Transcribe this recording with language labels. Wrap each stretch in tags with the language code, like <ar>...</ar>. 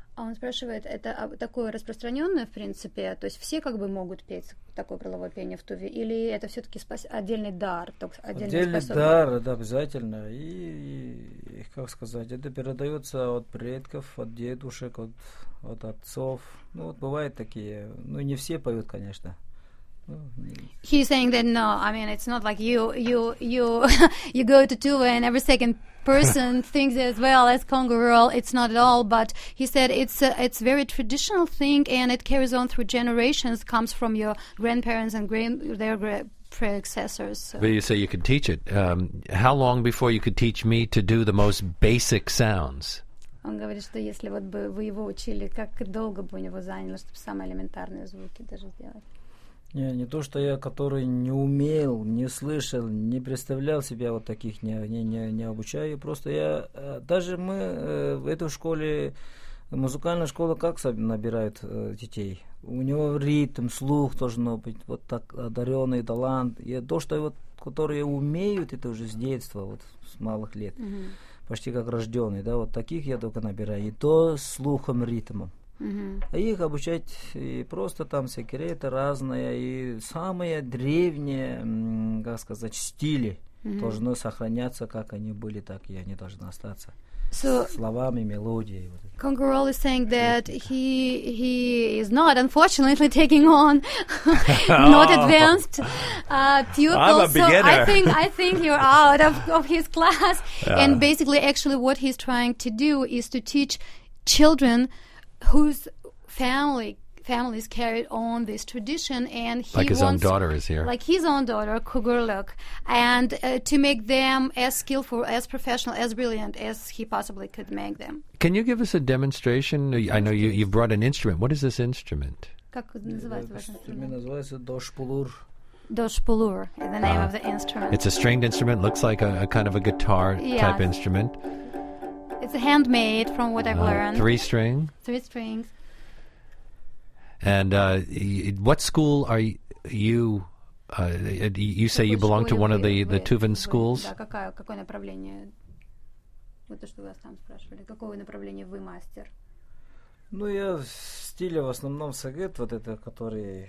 <ru>Он спрашивает, это такое распространенное, в принципе, то есть все как бы могут петь такое крыловое пение в Туве, или это все-таки отдельный дар, отдельный дар, да, обязательно. И как сказать, это передается от предков, от дедушек, от отцов. Ну вот бывают такие, ну не все поют, конечно.</ru> <en>He's saying that no, I mean it's not like you you go to Tuva and every second person thinks as well as Congo roll. It's not at all, but he said it's very traditional thing and it carries on through generations, comes from your grandparents and their predecessors. So. But you say you can teach it. How long before you could teach me to do the most basic sounds?</en> <ru>Он говорит, что если вот бы вы его учили, как долго бы у него заняло, чтобы самые элементарные звуки даже сделать? Не то, что я, который не умел, не слышал, не представлял себя вот таких, не обучаю. Просто я, даже мы в этой школе, музыкальная школа, как набирают детей? У него ритм, слух должен быть, вот так, одаренный талант. И то, что вот, которые умеют, это уже с детства, вот с малых лет, mm-hmm. почти как рожденный, да, вот таких я только набираю. И то слухом, ритмом. А их обучать и просто там секреты разные, и самые древние, как сказать, стили должны сохраняться, как они были, так и они должны остаться.</ru> <en>So,</en> <ru>словами, мелодией.</ru> <en>Congo Roll is saying that he is not, unfortunately, taking on not advanced pupils. I'm a beginner. So I think you're out of his class. Yeah. And basically, actually, what he's trying to do is to teach children whose families carried on this tradition, and he like his wants, own daughter is here, like his own daughter Kugurluk, and to make them as skillful, as professional, as brilliant as he possibly could make them. Can you give us a demonstration? I know you brought an instrument. What is this instrument?</en> <ru>Как называется ваш инструмент? Дошпулур.</ru> <en>Дошпулур, the name of the instrument. It's a stringed instrument. Looks like a kind of a guitar type yes. instrument. It's handmade, from what I've learned. Three strings. And what school are you? You say you belong to one of the Tuvan schools.</en> <ru>Да, какое направление? Вот то, что вы там спрашивали. Какое направление вы мастер? Ну я в стиле в основном сагет, вот это который.</ru>